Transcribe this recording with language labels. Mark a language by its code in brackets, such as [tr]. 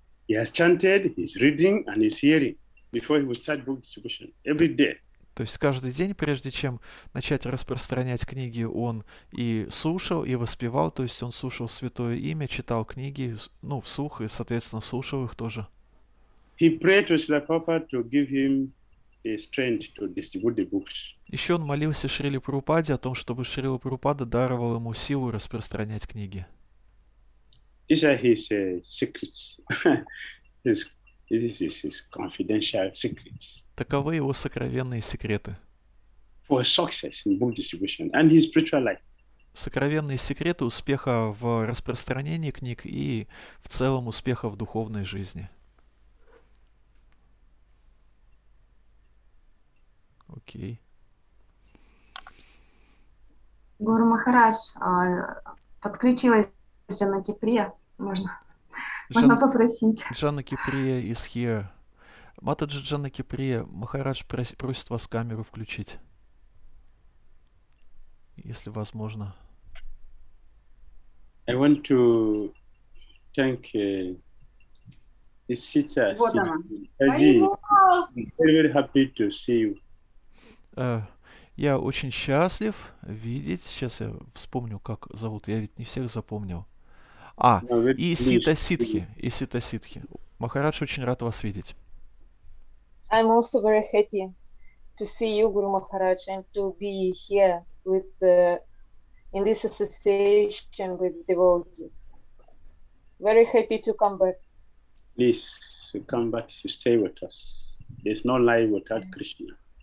[en] He has chanted, he's reading, and he's hearing before he will start book distribution every day. [ru] То есть каждый день, прежде чем начать распространять книги, он и слушал, и воспевал, то есть он слушал святое имя, читал книги, ну, вслух, и, соответственно, слушал их тоже. [en] He prayed to Srila Prabhupada to give him the strength to distribute the books. [ru] Еще он молился Шриле Прабхупаде о том, чтобы Шрила Прабхупада даровал ему силу распространять книги. [en] These are his secrets. This is his confidential secrets. [ru] Таковы его сокровенные секреты. [en] For success in book distribution and his spiritual life. [ru] Сокровенные секреты успеха в распространении книг и в целом успеха в духовной жизни. Окей. Гуру Махарадж, подключилась Джана Киприя. Можно попросить. [en] Джана Киприя is here. [ru] Матаджи Джана Киприя, Махарадж просит вас камеру включить. Если возможно. [en] I want to thank Исита. Very happy to see you. [ru] Я очень счастлив видеть. Сейчас я вспомню, как зовут. Я ведь не всех запомнил. А, Исита Ситхи. Исита Ситхи. Махарадж, очень рад вас видеть. [en] I'm also very happy to see you, Guru Maharaj, and to be here with in this association with devotees. Very happy to come back. Please, come back, stay with us. There's no life without Krishna.